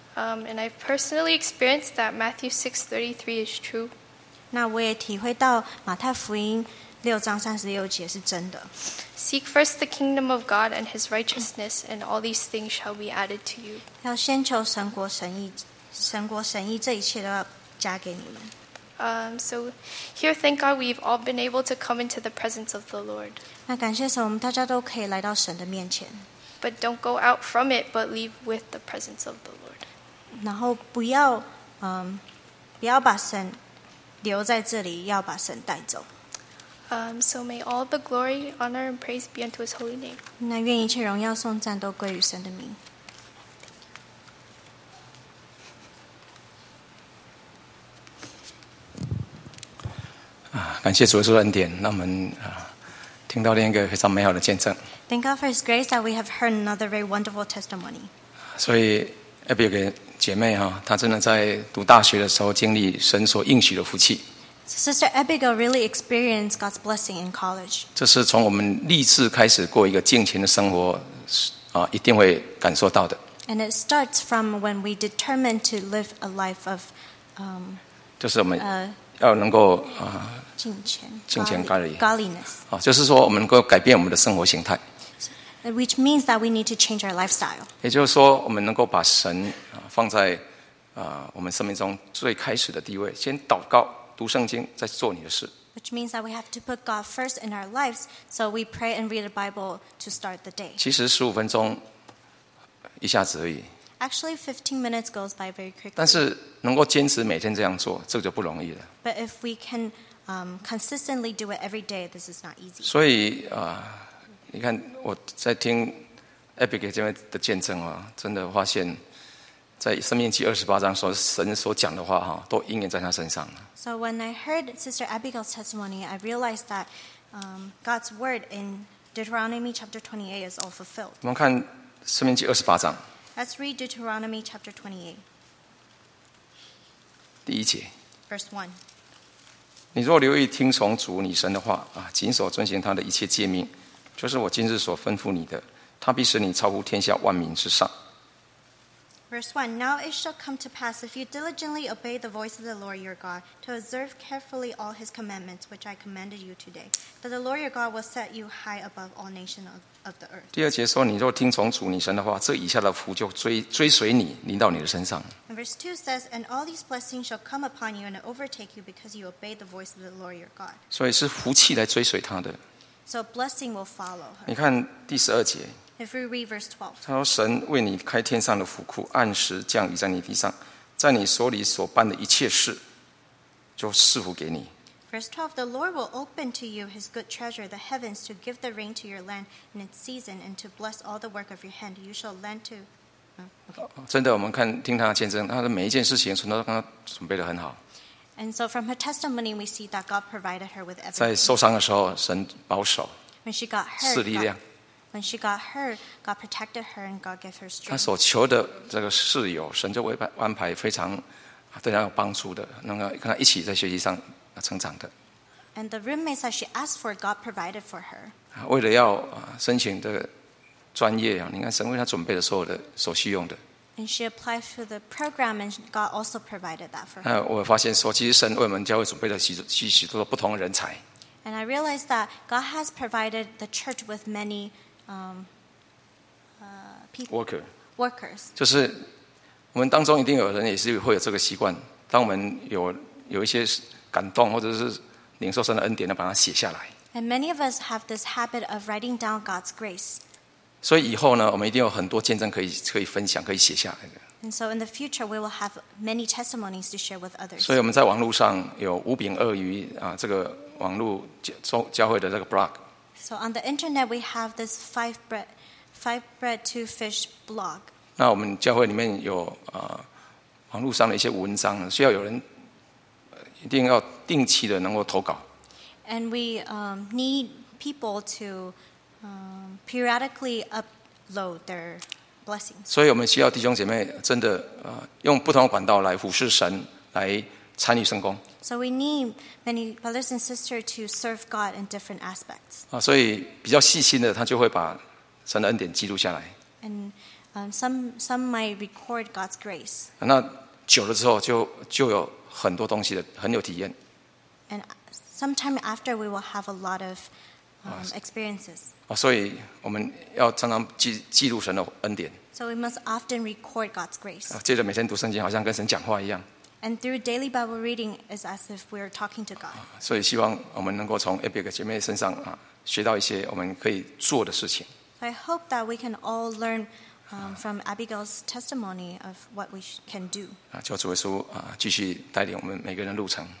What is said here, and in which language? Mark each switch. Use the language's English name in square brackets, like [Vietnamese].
[English] And I've personally experienced that Matthew 6:33 is true. [Chinese] 那我也体会到马太福音6:36是真的。 [English] Seek first the kingdom of God and His righteousness, and all these things shall be added to you. [Chinese] 要先求神国神义，神国神义，这一切都要加给你们。 [English] So here, thank God, we've all been able to come into the presence of the Lord. [Chinese] 那感谢神，我们大家都可以来到神的面前。 [English] But don't go out from it, but leave with the presence of the Lord. [Chinese] 然后不要把神留在这里，要把神带走。 [English] So may all the glory, honor, and praise be unto His holy name. [Chinese] 那愿一切荣耀颂赞都归于神的名。感谢主耶稣的恩典，让我们听到另一个非常美好的见证。 [English] Thank God for His grace that we have heard another very wonderful testimony. [Chinese] 所以 Abigail 的姐妹哈，她真的在读大学的时候经历神所应许的福气。 [English] Sister Abigail really experienced God's blessing in college. [Chinese] 这是从我们立志开始过一个敬虔的生活一定会感受到的。 [English] And it starts from when we determine to live a life of, [Chinese] 就是我们要能够敬虔 godliness 就是说我们能够改变我们的生活形态 [English] which means that we need to change our lifestyle [Chinese] 也就是说我们能够把神放在我们生命中最开始的地位先祷告读圣经再做你的事 [English] which means that we have to put God first in our lives so we pray and read the Bible to start the day [Chinese] 其实15分钟一下子而已 [English] actually 15 minutes goes by very quickly [Chinese] 但是能够坚持每天这样做这就不容易了 [English] but if we can consistently do it every day this is not easy [Chinese] 所以你看我在听 Abigail 这边的见证真的发现在生命记28章所神所讲的话都应验在他身上 [English] so when I heard Sister Abigail's testimony I realized that God's word in Deuteronomy chapter 28 is all fulfilled [Chinese] 我们看生命记28章 [English] let's read Deuteronomy chapter 28 [Chinese] 第一节 [English] Verse [Chinese] 1你若留意听从主你神的话谨守遵行他的一切诫命就是我今日所吩咐你的他必使你超乎天下万民之上 [English] Verse 1 Now it shall come to pass if you diligently obey the voice of the Lord your God to observe carefully all his commandments which I commanded you today that the Lord your God will set you high above all nations of the earth [Chinese] 第二节说你若听从主你神的话这以下的福就 追随你临到你的身上 [English] Verse 2 says, And all these blessings shall come upon you and overtake you because you obey the voice of the Lord your God. [Chinese] 所以是福气来追随他的。 [English] So blessing will follow her. [Chinese] 你看第十二节。 [English] If we read verse 12. [Chinese] 他说神为你开天上的福库按时降雨在你地上在你手里所办的一切事就赐福给你。 [English] Verse 12, The Lord will open to you his good treasure, the heavens, to give the rain to your land in its season and to bless all the work of your hand. You shall lend to... Okay. [Chinese] 真的我们看听他的见证他的每一件事情从他刚刚准备得很好 [English] And so from her testimony we see that God provided her with everything [Chinese] 在受伤的时候神保守 [English] When she got hurt [Chinese] 赐力量 [English] When she got hurt God protected her and God gave her strength [Chinese] 他所求的这个室友神就会安排非常对他有帮助的能够跟他一起在学习上成长的 [English] And the roommates that she asked for God provided for her [Chinese] 为了要申请的专业你看神为他准备的所有的所需用的。 [English] And she applied for the program, and God also provided that for her. [Chinese] 我发现说，其实神为我们教会准备了许多不同的人才。 [English] And I realized that God has provided the church with many people. Worker. Workers. [Chinese] 就是我们当中一定有人也是会有这个习惯，当我们有一些感动或者是领受神的恩典，要把它写下来。 [English] And many of us have this habit of writing down God's grace. [Chinese] 所以以后呢，我们一定有很多见证可以分享，可以写下来的。 [English] And so in the future, we will have many testimonies to share with others. [Chinese] 所以我们在网络上有五饼二鱼这个网络教会的这个 blog. [English] So on the internet, we have this five bread two fish blog. [Chinese] 那我们教会里面有网络上的一些文章需要有人一定要定期的能够投稿。 [English] And we need people to. Periodically upload their blessings. [Chinese] 所以我们需要弟兄姐妹真的用不同的管道来服侍神，来参与圣工。 [English] So we need many brothers and sisters to serve God in different aspects. [Chinese] 所以比较细心的，他就会把神的恩典记录下来。 [English] And some might record God's grace. [Chinese] 那久了之后就有很多东西的很有体验。 [English] And sometime after we will have a lot of experiences. [Chinese] 所以我们要常常记录神的恩典。 [English] So we must often record God's grace. [Chinese] 借着每天读圣经，好像跟神讲话一样。 [English] And through daily Bible reading, it's as if we are talking to God. [Chinese] 所以希望我们能够从 Abigail 姐妹身上学到一些我们可以做的事情。 [English] I hope that we can all learn from Abigail's testimony of what we can do. [Chinese] 求主耶稣继续带领我们每个人的路程。